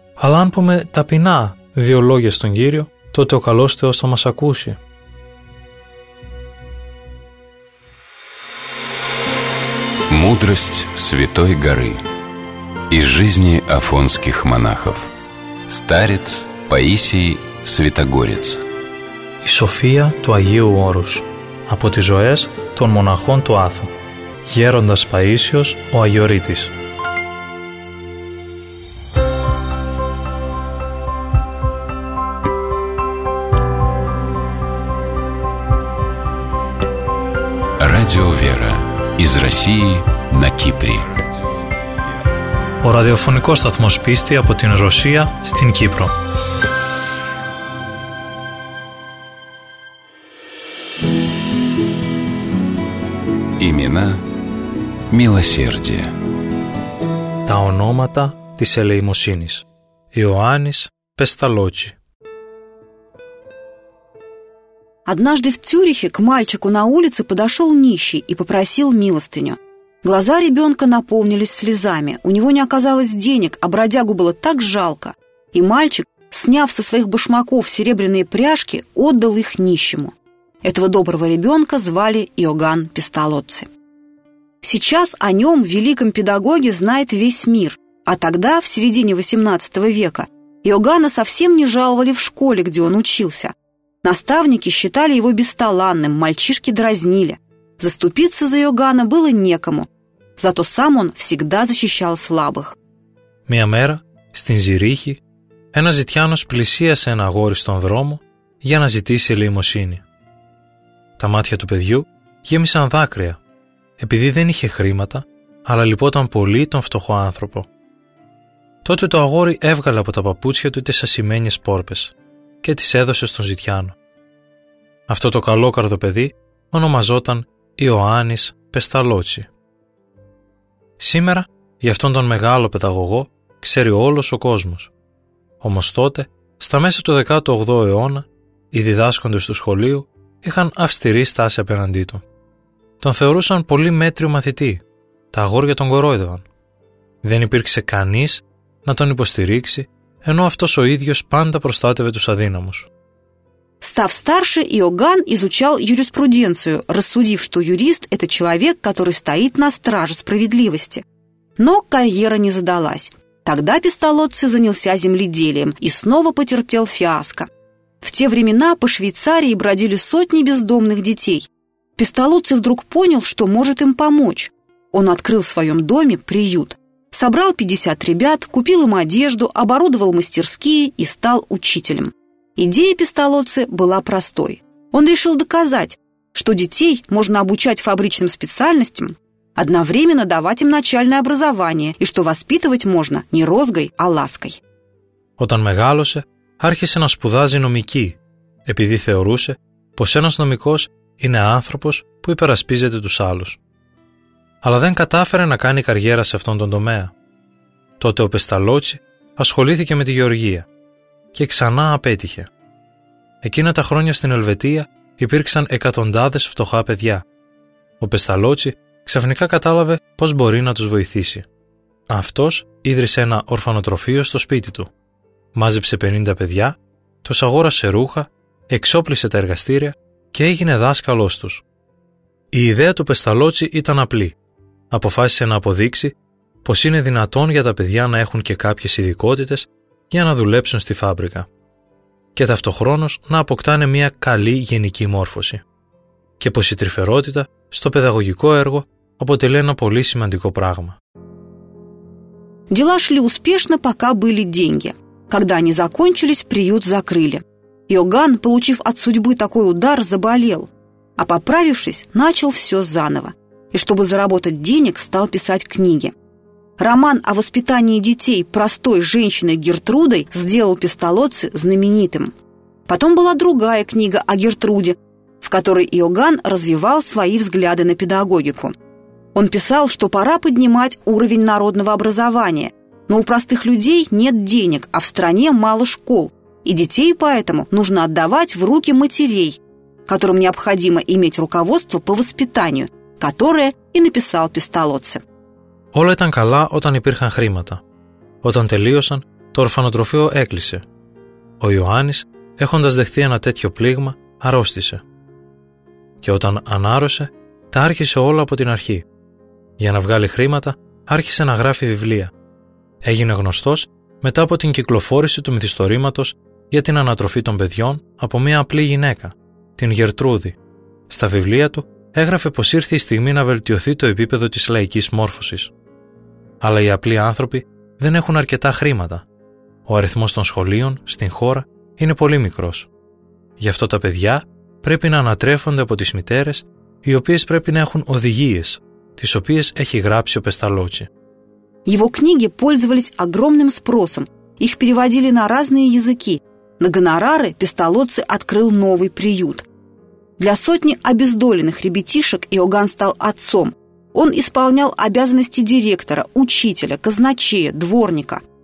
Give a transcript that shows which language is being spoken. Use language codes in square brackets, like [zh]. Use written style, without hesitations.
[el] Αλλά αν πούμε ταπεινά δύο λόγια στον Κύριο, τότε ο καλός Θεός θα μας ακούσει». [ru] Μούδρость Святой Горы. Из жизни афонских монахов. Старец Паисий Святогорец. [el] Η Σοφία του Αγίου Όρους. Από τις ζωές των μοναχών του Άθου. Γέροντας Παΐσιος, ο Αγιορείτης. [ru] Радио Вера. Из России на Кипре. [el] Ο ραδιοφωνικός σταθμός πίστη από την Ρωσία στην Κύπρο. [ru] Имена милосердия. [el] Τα ονόματα της ελεημοσύνης. Ιωάννης Πεσταλότσι. [ru] Однажды в Цюрихе к мальчику на улице подошел нищий и попросил милостыню. Глаза ребенка наполнились слезами, у него не оказалось денег, а бродягу было так жалко. И мальчик, сняв со своих башмаков серебряные пряжки, отдал их нищему. Этого доброго ребенка звали Иоганн Пестолоцци. Сейчас о нем, великом педагоге, знает весь мир. А тогда, в середине 18 века, Иоганна совсем не жаловали в школе, где он учился. Наставники считали его бесталанным, мальчишки дразнили. Заступиться за Иоганна было некому, зато сам он всегда защищал слабых. [el] Μια μέρα, στην Ζυρίχη, ένας ζητιάνος πλησίασε ένα αγόρι στον δρόμο για να ζητήσει ελεημοσύνη. Τα μάτια του παιδιού γέμισαν δάκρυα, επειδή δεν είχε χρήματα, αλλά λυπόταν πολύ τον φτωχό άνθρωπο. Τότε το αγόρι έβγαλε από τα παπούτσια του τις ασημένιες πόρπες και τις έδωσε στον ζητιάνο. Αυτό το καλόκαρδο παιδί ονομαζόταν Ιωάννης Πεσταλότσι. Σήμερα, για αυτόν τον μεγάλο παιδαγωγό, ξέρει όλος ο κόσμος. Όμως τότε, στα μέσα του 18ου αιώνα, οι διδάσκοντες του σχολείου είχαν αυστηρή στάση απέναντί του. Τον θεωρούσαν πολύ μέτριο μαθητή, τα αγόρια τον κορόιδευαν. Δεν υπήρξε κανείς να τον υποστηρίξει, ενώ αυτός ο ίδιος πάντα προστάτευε τους αδύναμους. [ru] Став старше, Иоганн изучал юриспруденцию, рассудив, что юрист – это человек, который стоит на страже справедливости. Но карьера не задалась. Тогда Пестолоцци занялся земледелием и снова потерпел фиаско. В те времена по Швейцарии бродили сотни бездомных детей. Пестолоцци вдруг понял, что может им помочь. Он открыл в своем доме приют. Собрал 50 ребят, купил им одежду, оборудовал мастерские и стал учителем. Идея Пестолоцци была простой. Он решил доказать, что детей можно обучать фабричным специальностям, одновременно давать им начальное образование и что воспитывать можно не розгой, а лаской. [el] Όταν μεγάλωσε, άρχισε να σπουδάζει νομική, επειδή θεωρούσε πως ένας νομικός είναι άνθρωπος που υπερασπίζεται τους άλλους. Αλλά δεν κατάφερε να κάνει καριέρα σε αυτόν τον τομέα. Τότε ο Πεσταλότσι ασχολήθηκε με τη γεωργία. Και ξανά απέτυχε. Εκείνα τα χρόνια στην Ελβετία υπήρξαν εκατοντάδες φτωχά παιδιά. Ο Πεσταλότσι ξαφνικά κατάλαβε πώς μπορεί να τους βοηθήσει. Αυτός ίδρυσε ένα ορφανοτροφείο στο σπίτι του. Μάζεψε 50 παιδιά, τους αγόρασε ρούχα, εξόπλισε τα εργαστήρια και έγινε δάσκαλός τους. Η ιδέα του Πεσταλότσι ήταν απλή. Αποφάσισε να αποδείξει πως είναι δυνατόν για τα παιδιά να έχουν και κάποιες ειδικότητες για να δουλέψουν στη φάμπρικα και ταυτοχρόνως να αποκτάνε μια καλή γενική μόρφωση και πως η τρυφερότητα στο παιδαγωγικό έργο αποτελεί ένα πολύ σημαντικό πράγμα. [ru] Дела шли успешно, пока были деньги. Когда они закончились, приют закрыли. Йоган, получив от судьбы такой удар, заболел. А поправившись, начал все заново. И чтобы заработать денег, стал писать книги. Роман о воспитании детей простой женщиной Гертрудой сделал Пестолоцци знаменитым. Потом была другая книга о Гертруде, в которой Йоган развивал свои взгляды на педагогику. Он писал, что пора поднимать уровень народного образования, но у простых людей нет денег, а в стране мало школ, и детей поэтому нужно отдавать в руки матерей, которым необходимо иметь руководство по воспитанию, которое и написал Пестолоцци. [el] Όλα ήταν καλά όταν υπήρχαν χρήματα. Όταν τελείωσαν, το ορφανοτροφείο έκλεισε. Ο Ιωάννης, έχοντας δεχθεί ένα τέτοιο πλήγμα, αρρώστησε. Και όταν ανάρρωσε, τα άρχισε όλα από την αρχή. Για να βγάλει χρήματα, άρχισε να γράφει βιβλία. Έγινε γνωστός μετά από την κυκλοφόρηση του μυθιστορήματος για την ανατροφή των παιδιών από μια απλή γυναίκα, την Γερτρούδη. Στα βιβλία του έγραφε πως ήρθε η στιγμή να βελτιωθεί το επίπεδο της λαϊκής μόρφωσης. Αλλά οι απλοί άνθρωποι δεν έχουν αρκετά χρήματα. Ο αριθμός των σχολείων στην χώρα είναι πολύ μικρός. Γι' αυτό τα παιδιά πρέπει να ανατρέφονται από τις μητέρες, οι οποίες πρέπει να έχουν οδηγίες, τις οποίες έχει γράψει ο Πεσταλόγγι. [ru] Его книги пользовались огромным спросом. Их переводили на разные языки. На гонорары Пестолоцци открыл новый приют. Для сотни обездоленных ребятишек Иоганн стал отцом. Он исполнял обязанности директора, учителя, казначея, дворника.